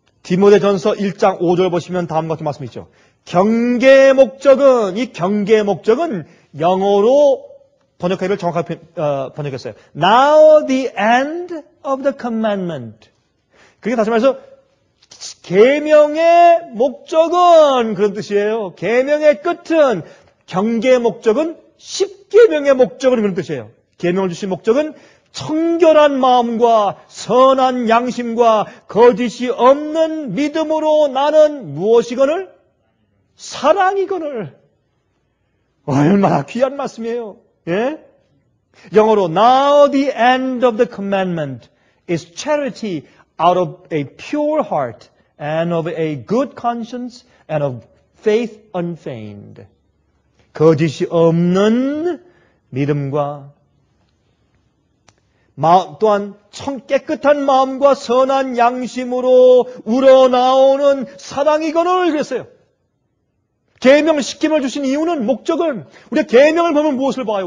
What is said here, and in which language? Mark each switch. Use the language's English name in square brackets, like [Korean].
[Korean] 디모데전서 1장 5절 보시면 다음과 같은 말씀이 있죠. 경계의 목적은, 이 경계의 목적은 영어로 번역하기를 정확하게 번역했어요. [English] Now the end of the commandment. [Korean] 그게 다시 말해서 계명의 목적은 그런 뜻이에요. 계명의 끝은 경계의 목적은 십계명의 목적은 그런 뜻이에요. 계명을 주신 목적은 청결한 마음과 선한 양심과 거짓이 없는 믿음으로 나는 무엇이거늘? 사랑이거늘. 얼마나 귀한 말씀이에요. 예? 영어로 [English] Now the end of the commandment is charity out of a pure heart and of a good conscience and of faith unfeigned. [Korean] 거짓이 없는 믿음과 또한 깨끗한 마음과 선한 양심으로 우러나오는 사랑이거늘 그랬어요. 계명 시킴을 주신 이유는 목적은 우리의 계명을 보면 무엇을 봐요?